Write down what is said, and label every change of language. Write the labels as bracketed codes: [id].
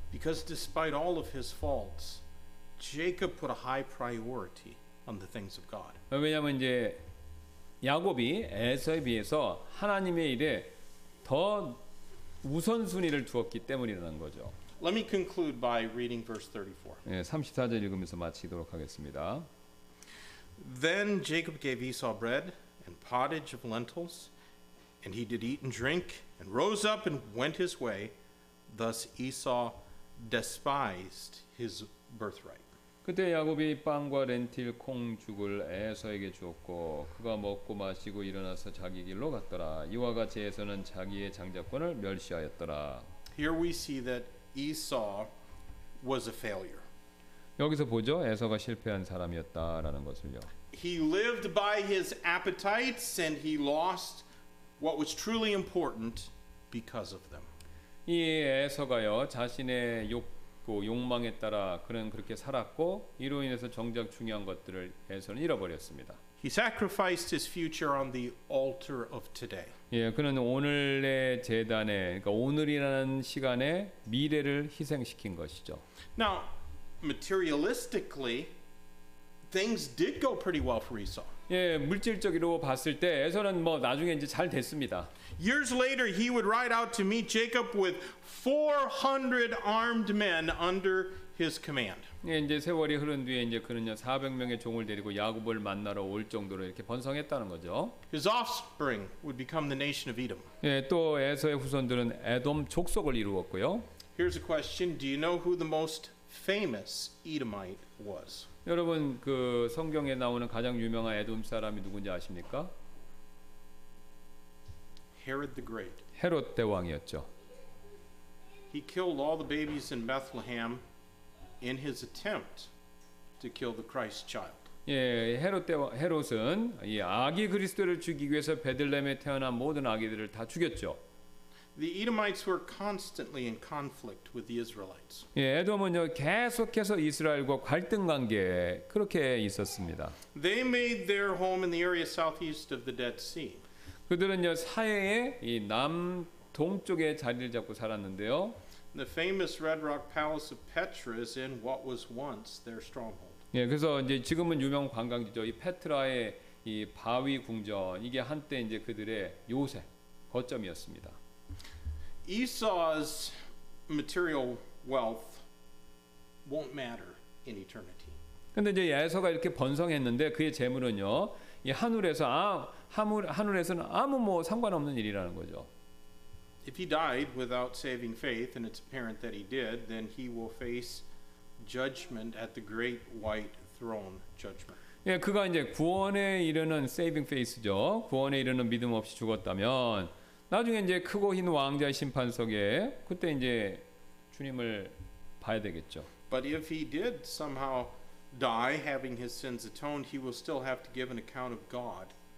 [en] Because despite all of his faults, Jacob put a high priority on the things of God. [ko] 왜냐하면 이제 야곱이 에서에 비해서 하나님의 일에 더 우선순위를 두었기 때문이라는 거죠. [en] Let me conclude by reading verse 34. [ko] 네, 34절 읽으면서 마치도록 하겠습니다. [en] Then Jacob gave Esau bread and pottage of lentils, and he did eat and drink, and rose up and went his way. Thus Esau despised his birthright. [ko] 그때 야곱이 빵과 렌틸 콩죽을 에서에게 주었고 그가 먹고 마시고 일어나서 자기 길로 갔더라. 이와 같이 에서는 자기의 장자권을 멸시하였더라. [en] Here we see that Esau was a failure. [ko] 여기서 보죠. 에서가 실패한 사람이었다라는 것을요. [en] He lived by his appetites and he lost what was truly important because of them. [ko] 이 에서가요. 자신의 욕구, 욕망에 따라 그는 그렇게 살았고 이로 인해서 정작 중요한 것들을 에서는 잃어버렸습니다. [en] He sacrificed his future on the altar of today. [ko] 예, 그는 오늘의 제단에, 그러니까 오늘이라는 시간에 미래를 희생시킨 것이죠. [en] Now, materialistically, things did go pretty well for Esau. [ko] 예, 물질적으로 봤을 때 에서는 뭐 나중에 이제 잘 됐습니다. [en] Years later, he would ride out to meet Jacob with 400 armed men under his command. [ko] 예, 이제 세월이 흐른 뒤에 이제 그는요 400명의 종을 데리고 야곱을 만나러 올 정도로 이렇게 번성했다는 거죠. [en] His offspring would become the nation of Edom. [ko] 예, 또 에서의 후손들은 에돔 족속을 이루었고요. [en] Here's a question. Do you know who the most famous Edomite was? [ko] 여러분 그 성경에 나오는 가장 유명한 에돔 사람이 누군지 아십니까? [en] Herod the Great. [ko] 헤롯 대왕이었죠. [en] He killed all the babies in Bethlehem in his attempt to kill the Christ child. [ko] 예, 헤롯은 이 아기 그리스도를 죽이기 위해서 베들레헴에 태어난 모든 아기들을 다 죽였죠. [en] The Edomites were constantly in conflict with the Israelites. [ko] 예, 에돔은요 계속해서 이스라엘과 갈등 관계 그렇게 있었습니다. [en] They made their home in the area southeast of the Dead Sea. [ko] 그들은요 사해의 이 남동쪽에 자리를 잡고 살았는데요. [en] The famous Red Rock Palace of Petra is in what was once their stronghold. [ko] 예, 그래서 이제 지금은 유명 관광지죠. 이 페트라의 이 바위 궁전 이게 한때 이제 그들의 요새. 거점이었습니다. [en] Esau's material wealth won't matter in eternity. [ko] 근데 이제 에서가 이렇게 번성했는데 그의 재물은요. 이 하늘에서 하늘에서는 아무 뭐 상관없는 일이라는 거죠. [en] If he died without saving faith and it's apparent that he did, then he will face judgment at the great white throne judgment. [ko] 예, 그가 이제 구원에 이르는 [en] saving faith [ko] 죠. 구원에 이르는 믿음 없이 죽었다면 나중에 이제 크고 흰 왕좌 심판석에 그때 이제 주님을 봐야 되겠죠. [en] But if he did somehow die having his sins atoned, he will still have to give an account of God.